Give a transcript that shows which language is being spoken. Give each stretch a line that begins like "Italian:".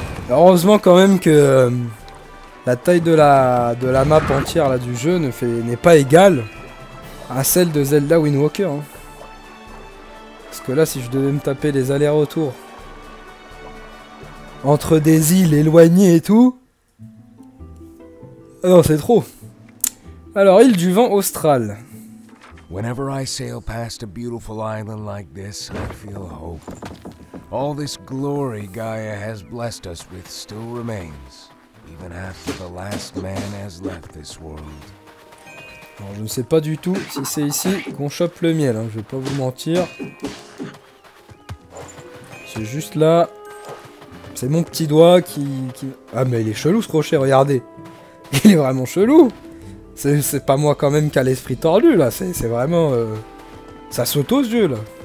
French: Heureusement quand même que.. La taille de la map entière là du jeu n'est pas égale à celle de Zelda Wind Waker. Hein. Parce que là, si je devais me taper les allers-retours entre des îles éloignées et tout... Non, c'est trop. Alors, île du vent austral.
English: Whenever I sail past a beautiful island like this, I feel hope. All this glory Gaia has blessed us with still remains. Even after the last man has left this world.
French: Alors, je ne sais pas du tout si c'est ici qu'on chope le miel, hein. Je vais pas vous mentir. C'est juste là. C'est mon petit doigt qui... Ah mais il est chelou ce rocher, regardez. Il est vraiment chelou. C'est pas moi quand même qui a l'esprit tordu là, c'est vraiment... Ça saute aux yeux là.